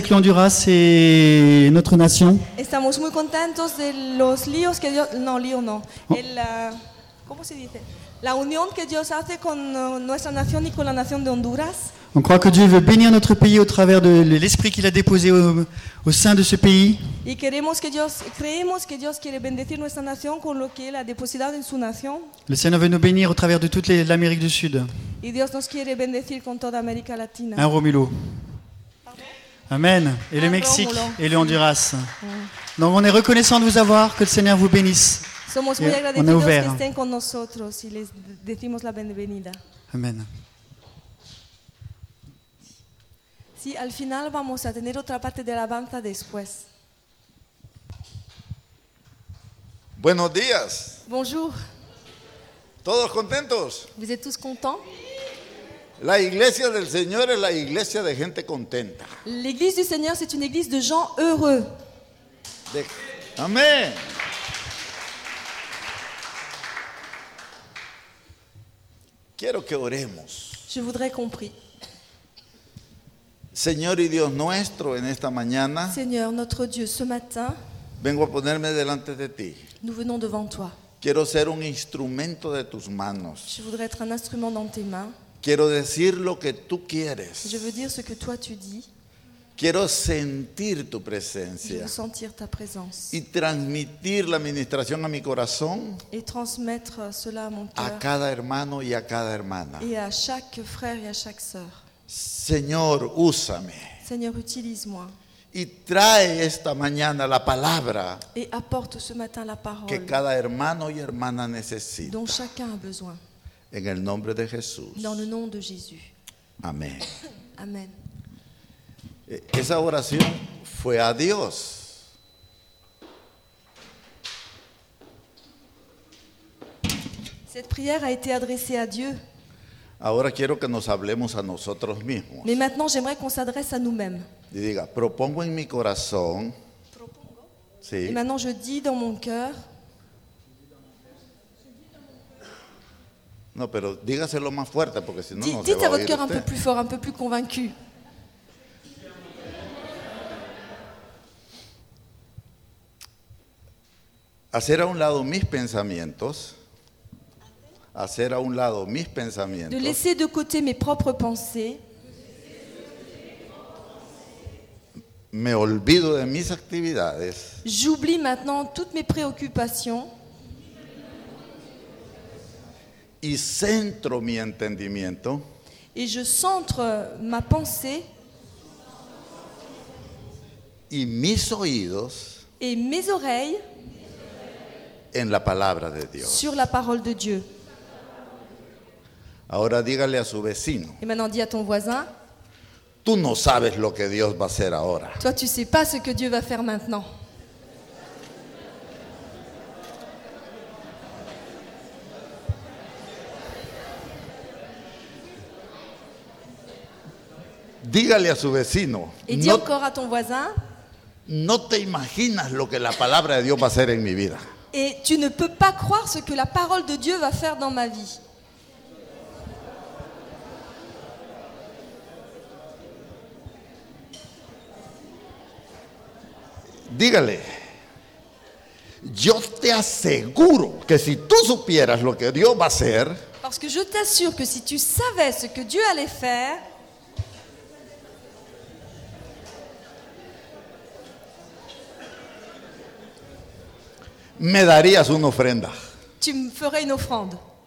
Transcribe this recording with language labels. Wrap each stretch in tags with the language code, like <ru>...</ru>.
<fr>que Honduras est notre nation.</fr> <es>Estamos muy contentos de los líos que Dios no lío no. El ¿cómo se dice? La unión que Dios hace con nuestra nación y con la nación de Honduras.</es> <fr>On croit que Dieu veut bénir notre pays au travers de l'esprit qu'il a déposé au sein de ce pays.</fr> <es>Y creemos que Dios quiere bendecir nuestra nación con lo que él ha depositado en su nación.</es> <fr>Le Seigneur veut nous bénir au travers de toute l'Amérique du Sud.</fr> <es>Y Dios nos quiere bendecir con toda América Latina. Un Romulo. Amen.</es> <fr>Et le Mexique et le Honduras. Donc on est reconnaissant de vous avoir, que le Seigneur vous bénisse.</fr> <es>Somos muy agradecidos que estén con nosotros y les decimos la bienvenida. Amen. Sí, al final vamos a tener otra parte de alabanza después. Buenos días.</es> <fr>Bonjour.</fr> <es>¿Todos contentos?</es> <fr>Vous êtes tous contents?</fr> <es>La iglesia del Señor es la iglesia de gente contenta.</es> <fr>L'église du Seigneur, c'est une église de gens heureux.</fr> <es>Amén. Quiero que oremos.</es> <fr>Je voudrais qu'on prie.</fr> <es>Señor y Dios nuestro, en esta mañana.</es> <fr>Seigneur, notre Dieu, ce matin.</fr> <es>Vengo a ponerme delante de ti.</es> <fr>Nous venons devant toi.</fr> <es>Quiero ser un instrumento de tus manos.</es> <fr>Je voudrais être un instrument dans tes mains.</fr> <es>Quiero decir lo que tú quieres.</es> <fr>Je veux dire ce que toi tu dis.</fr> <es>Quiero sentir tu presencia.</es> <fr>Je veux sentir ta présence.</fr> <es>Y transmitir la administración a mi corazón.</es> <fr>Et transmettre cela à mon cœur.</fr> <es>A cada hermano y a cada hermana.</es> <fr>Et à chaque frère et à chaque sœur.</fr> <es>Señor, úsame.</es> <fr>Seigneur, utilise-moi.</fr> <es>Y trae esta mañana la palabra.</es> <fr>Et apporte ce matin la parole.</fr> <es>Que cada hermano y hermana necesita.</es> <fr>Dont chacun a besoin.</fr> <es>En el nombre de Jesús.</es> <fr>Dans le nom de Jésus.</fr> <es>Amén. Amén. Esa oración fue a Dios.</es> <fr>Cette prière a été adressée à Dieu.</fr> <es>Ahora quiero que nos hablemos a nosotros mismos.</es> <fr>Mais maintenant j'aimerais qu'on s'adresse à nous-mêmes.</fr> <es>Y diga, propongo en mi corazón. Propongo. Sí.</es> <fr>Et maintenant je dis dans mon cœur.</fr> <es>No, pero dígaselo más fuerte porque si no no se va a oír.</es> <fr>Dites à votre cœur un peu plus fort, un peu plus convaincu.</fr> <es>Hacer a un lado mis pensamientos. Hacer a un lado mis pensamientos.</es> <fr>De laisser de côté mes propres pensées.</fr> <es>Me olvido de mis actividades.</es> <fr>J'oublie maintenant toutes mes préoccupations.</fr> <es>Y centro mi entendimiento.</es> <fr>Et je centre ma pensée.</fr> <es>Y mis oídos.</es> <fr>Et mes oreilles.</fr> <es>En la palabra de Dios.</es> <fr>Sur la parole de Dieu.</fr> <es>Ahora dígale a su vecino.</es> <fr>Et maintenant dis à ton voisin.</fr> <es>Tú no sabes lo que Dios va a hacer ahora.</es> <fr>Toi tu sais pas ce que Dieu va faire maintenant.</fr> <es>Dígale a su vecino.</es> <fr>Et dis encore à ton voisin.</fr> <es>No te imaginas lo que la palabra de Dios va a hacer en mi vida.</es> <fr>Et tu ne peux pas croire ce que la parole de Dieu va faire dans ma vie.</fr> <es>Dígale. Yo te aseguro que si tú supieras lo que Dios va a hacer.</es> <fr>Parce que je t'assure que si tu savais ce que Dieu allait faire.</fr> <es>Me darías una ofrenda.</es> <fr>Tu me ferais une offrande.</fr>